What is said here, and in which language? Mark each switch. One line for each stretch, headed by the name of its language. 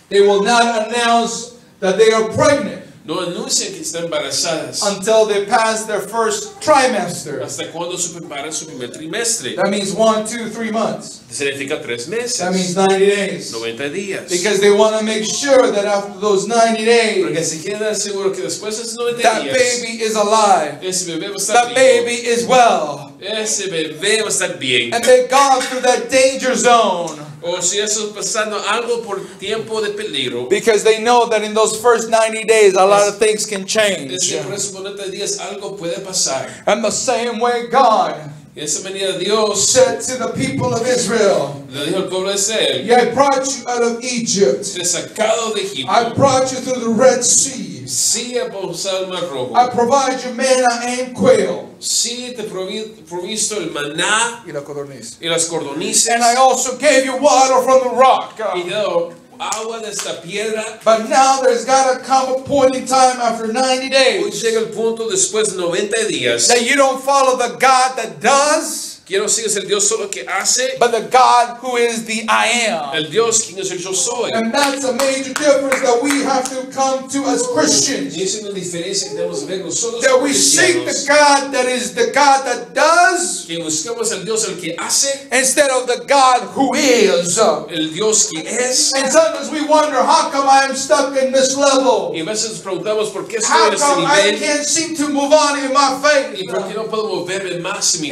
English: they will not announce that they are pregnant.
Spanish: No anuncian que están embarazadas.
English: Until they pass their first trimester.
Spanish: Hasta cuando superan su primer trimestre.
English: That means 1, 2, 3 months.
Spanish: Significa 3 meses.
English: That means 90 days.
Spanish: 90 días.
English: Because they want to make sure that after those 90 days.
Spanish: Porque se quieren asegurar que después de esos 90
English: that
Spanish: días.
English: That baby is alive.
Spanish: Ese bebé va a estar
English: that
Spanish: vivo.
English: Baby is well.
Spanish: Ese bebé va a estar bien.
English: And they've gone through that danger zone.
Spanish: O si eso pasando algo por tiempo de peligro.
English: Because they know that in those first 90 days a lot of things can change.
Spanish: Es que por esos 90 días algo puede pasar.
English: And the same way God said to the people of Israel, yeah, I brought you out of Egypt. I brought you through the Red Sea.
Spanish: Sí, el Mar Rojo.
English: I provide you manna and quail.
Spanish: Sí, te provisto el maná y la codorniz. Y las codornices.
English: And I also gave you water from the rock.
Spanish: Y yo, agua de esta piedra.
English: But now there's got to come a point in time after 90 days.
Spanish: Hoy llega el punto después de 90 días.
English: That you don't follow the God that does.
Spanish: Que no sigues el Dios solo que hace.
English: But the God who is the I am.
Spanish: El Dios quien es el yo soy.
English: And that's a major difference that we have to come to as Christians.
Spanish: Y es una diferencia que debemos ver nosotros.
English: That we seek the God that is the God that does.
Spanish: Que buscamos el Dios el que hace.
English: Instead of the God who is.
Spanish: El Dios que es.
English: And sometimes we wonder, how come I am stuck in this level?
Spanish: Y a veces preguntamos por qué estoy en este nivel.
English: How come I can't seem to move on in my faith?
Spanish: Y por qué no puedo moverme más en mi